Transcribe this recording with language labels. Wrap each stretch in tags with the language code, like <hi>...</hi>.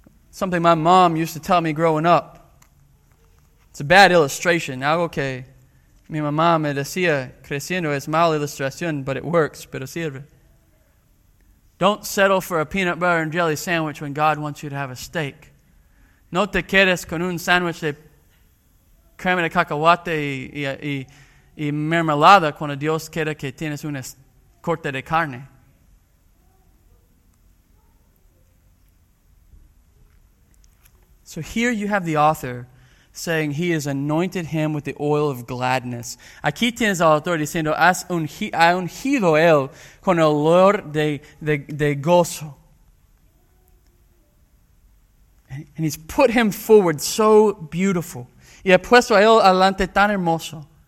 <en>Something my mom used to tell me growing up. It's a bad illustration.</en> <es>Algo que mi mamá me decía creciendo es mala ilustración,</es> <en>but it works,</en> <es>pero sirve.</es> <en>Don't settle for a peanut butter and jelly sandwich when God wants you to have a steak.</en> <es>No te quedes con un sandwich de crema de cacahuate y mermelada cuando Dios quiere que tienes un corte de carne.</es> <en>So here you have the author saying he has anointed him with the oil of gladness.</en> <es>Aquí tienes al autor diciendo ha ungido él con el olor de gozo.</es> <en>And he's put him forward so beautiful.</en> <es>Y ha puesto a él adelante tan hermoso.</es>